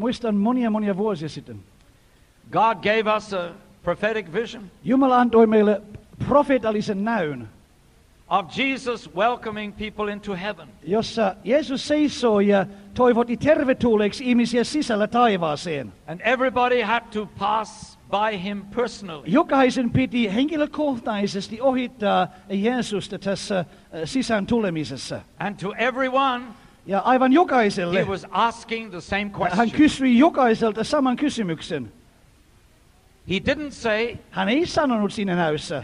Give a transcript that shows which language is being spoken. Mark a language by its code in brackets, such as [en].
[fi] Muistan monia monia vuosia sitten. [en] God gave us a prophetic vision. [fi] Jumala antoi meille profeetallisen näyn. [en] Of Jesus welcoming people into heaven. [fi] Jossa Jeesus seisoo ja toivotti tervetulleeksi ihmisiä sisällä taivaaseen. [en] And everybody had to pass by him personally. [fi] Jokaisen piti henkilökohtaisesti ohittaa Jeesusta tässä sisään tulemisessa. [en] And to everyone. [fi] Ja aivan jokaiselle. [en] He was asking the same question. [fi] Hän kysyi jokaiselta saman kysymyksen. [en] He didn't say. [fi] Hän ei sanonut siinä näyssä.